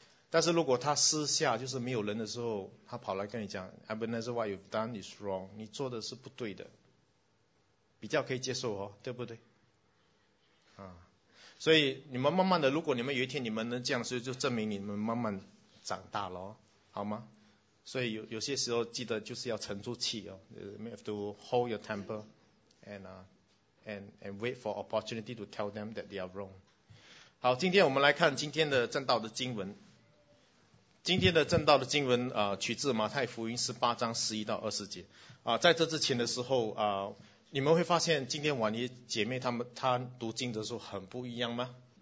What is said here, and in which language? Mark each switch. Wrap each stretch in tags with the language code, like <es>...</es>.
<zh>但是如果他私下就是没有人的时候，他跑来跟你讲 ，</zh> <en>Ebenezer, what you've done is wrong，</en> <zh>你做的是不对的，比较可以接受哦，对不对？所以你们慢慢的，如果你们有一天你们能这样，所以就证明你们慢慢长大了，好吗？所以有些时候记得就是要沉住气哦，</zh> <en>you have to hold your temper and wait for opportunity to tell them that they are wrong。</en> <zh>好，今天我们来看今天的正道的经文。今天的正道的经文取自马太福音18章11到20节。在这之前的时候你们会发现今天婉妮姐妹她读经的时候很不一样吗？</zh>